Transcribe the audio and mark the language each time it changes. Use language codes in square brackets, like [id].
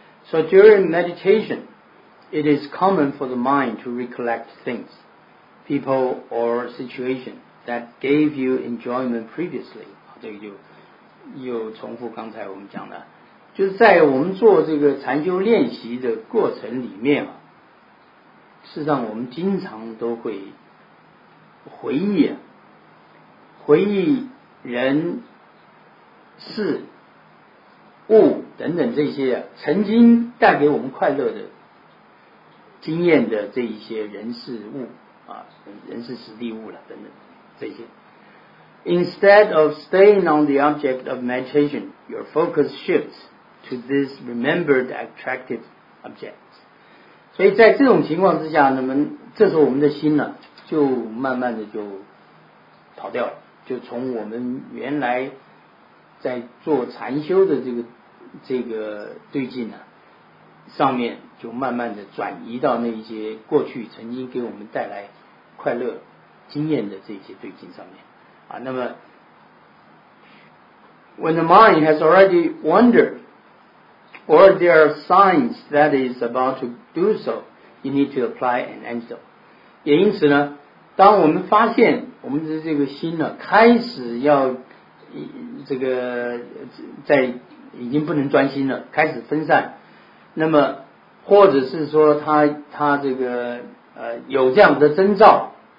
[en] So during meditation, it is common for the mind to recollect things, people or situation that gave you enjoyment previously. [zh] 这个就又重复刚才我们讲的，就是在我们做这个禅修练习的过程里面啊，事实上我们经常都会回忆人事物等等这些曾经带给我们快乐的经验的这一些人事物啊，人事实地物了等等这些。 [en] Instead of staying on the object of meditation, your focus shifts to this remembered attractive object. [zh] 所以在这种情况之下，那么这时候我们的心呢，就慢慢的就跑掉了，就从我们原来在做禅修的这个对境呢上面，就慢慢的转移到那些过去曾经给我们带来快乐经验的这些对境上面啊。 [en] 那么 When the mind has already wandered or there are signs that is about to do so, you need to apply an antidote. [zh] 也因此呢，当我们发现我们的这个心呢开始要这个在已经不能专心了，开始分散，那么或者是说他这个有这样的征兆，